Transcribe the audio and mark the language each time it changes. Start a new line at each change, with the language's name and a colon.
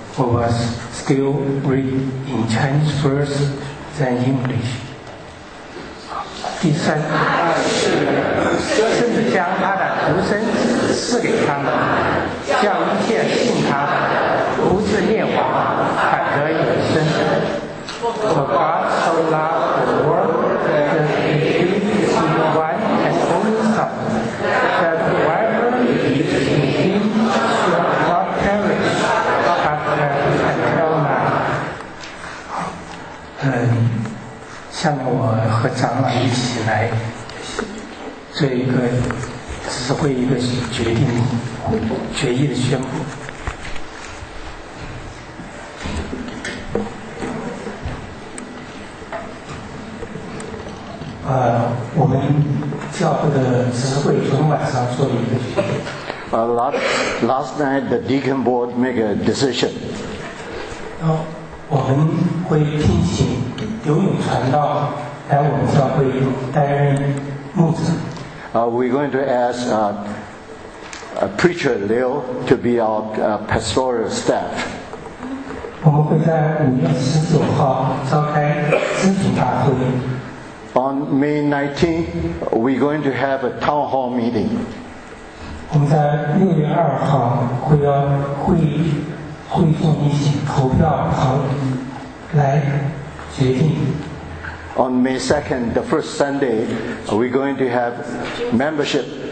English: We must still read in Chinese first, then English.
Chinese: 第三，甚至将他的独生子赐给他们，叫一切信他的，不至灭亡，反得永生。
English: For God so loved the world that He gave His one and only Son, that whoever believes in Him should not perish, but have eternal life.
Chinese: 下面我和长老一起来做一个只是会一个决定决议的宣布。我们教会的执事会昨天晚上做了一个决定。
English: Last night the deacon board make a decision.
Chinese: 我们会聘请刘勇传道来我们教会担任牧者。
English: We're going to ask preacher Liu to be our pastoral staff.
Chinese: 我们会在5月19号召开咨询大会。
English: On May 19th, we're going to have a town hall meeting.
Chinese: 我们在6月2号会要会众一起投票讨来决定。
English: On May 2nd, the first Sunday, we're going to have membership.